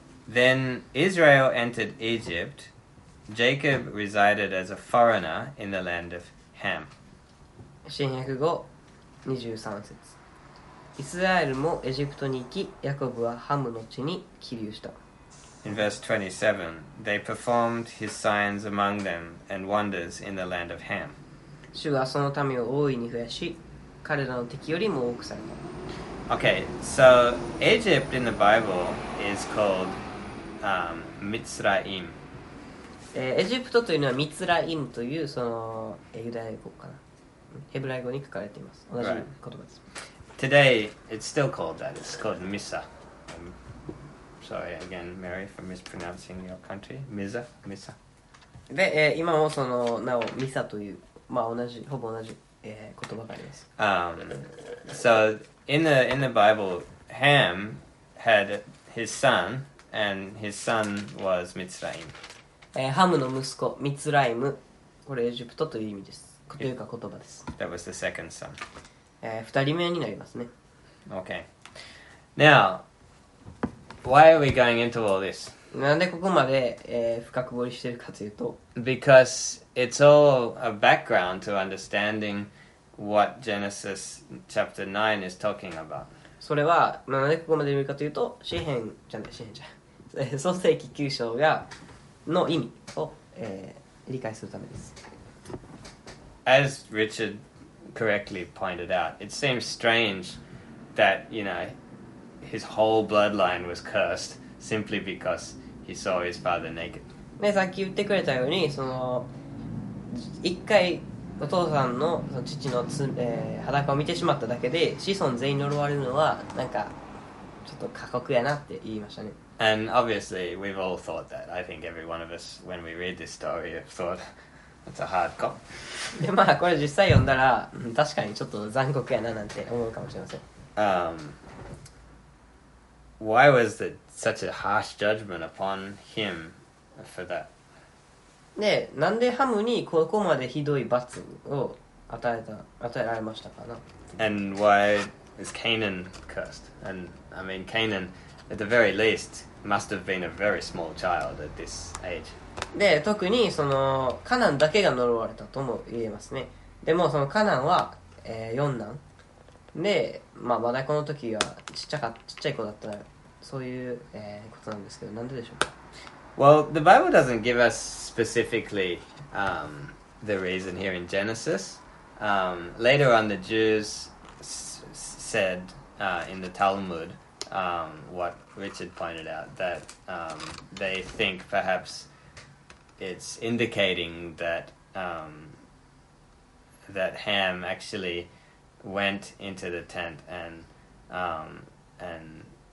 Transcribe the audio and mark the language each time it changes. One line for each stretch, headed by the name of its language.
English: Then Israel entered Egypt, Jacob resided as a foreigner in the land of Ham.
Japanese: 詩編10523節。イスラエルもエジプトに行き、ヤコブはハムの地に帰留した。
English: In verse 27, they performed his signs among them and wonders in the land of Ham.
Japanese: 主はその民を大いに増やし、彼らの敵よりも多くされた。
English: Okay, so Egypt in the Bible is called Mitzrayim.
Japanese: エジプトというのはミツラインというそのユダヤ語かな。ヘブライ語に書かれています。同じ言葉です。
English: Right. Today, it's still called that. It's called Misa. Sorry again, Mary, for mispronouncing your country. Misa, Misa.
Japanese: で、今もそのなおミサというまあ同じほぼ同じ、言葉があります。
English: So in the Bible, Ham had his son, and his son was Mitzrayim.
Japanese: ハムの息子ミツライム、これエジプトという意味です。というか言葉です。
English: That was the second son.
Japanese: 二人目になりますね。
English: Okay. Now, why are we going into all this?
Japanese: なんでここまで、深く掘りしてるかというと
English: Because it's all a background to understanding what Genesis chapter 9 is talking about.
Japanese: それは、まあ、なんでここまで見るかというと詩編じゃない、詩編じゃない創世記9章がの意味を、理解するためです。
English: As Richard correctly pointed out, it seems strange that, you know, his whole bloodline was cursed simply because he saw his father naked.
Japanese: ね、さっき言ってくれたようにその一回お父さんの、その父の、裸を見てしまっただけで子孫全員呪われるのはなんかちょっと過酷やなって言いましたね。
English: And obviously, we've all thought that. I think every one of us, when we read this story, have thought, that's a hard cop.
Japanese: で、まあ、これ実際読んだら、確かにちょっと残酷やななんて思うかもしれません。
English: Why was it such a harsh judgment upon him for that?
Japanese: で、なんでハムにここまでひどい罰を与えられましたかな?
English: And why is Canaan cursed? And, I mean, Canaan... At the very least, must have been a very small child at this age.
Japanese: で、特にそのカナンだけが呪われたとも言えますね。でもそのカナンは、四男で、まあ、まだこの時はちっちゃい子だったそういう、ことなんですけど、なんででしょうか?
English: Well, the Bible doesn't give us specifically, the reason here in Genesis. Later on, the Jews said, in the Talmud,what Richard pointed out, that they think perhaps it's indicating that, that Ham actually went into the tent and